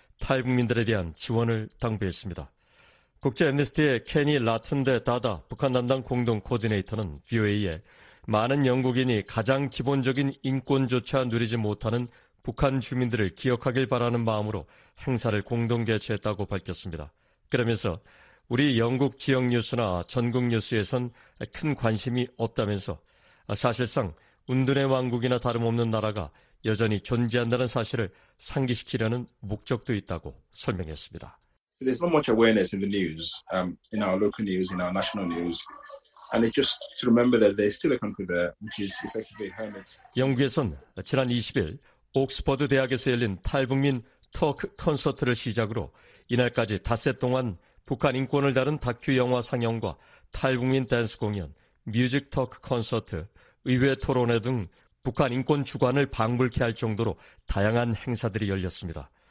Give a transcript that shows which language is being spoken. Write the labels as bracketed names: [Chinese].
[Korean] 탈북민들에 대한 지원을 당부했습니다. 국제 앰네스티의 케니 라툰데 다다 북한 담당 공동 코디네이터는 VOA에 많은 영국인이 가장 기본적인 인권조차 누리지 못하는 북한 주민들을 기억하길 바라는 마음으로 행사를 공동 개최했다고 밝혔습니다. 그러면서 우리 영국 지역 뉴스나 전국 뉴스에선 큰 관심이 없다면서 사실상 운둔의 왕국이나 다름없는 나라가 여전히 존재한다는 사실을 상기시키려는 목적도 있다고 설명했습니다. [English] There's not much awareness in the news, in our local news, in our national news. And it just to remember that there's still a country there, which is effectively hermit. [Korean] 영국에선 지난 20일 옥스퍼드 대학에서 열린 탈북민 토크 콘서트를 시작으로 이날까지 닷새 동안 북한 인권을 다룬 다큐 영화 상영과 탈북민 댄스 공연, 뮤직 토크 콘서트, 의회 토론회 등 북한 인권 주관을 방불케 할 정도로 다양한 행사들이 열렸습니다.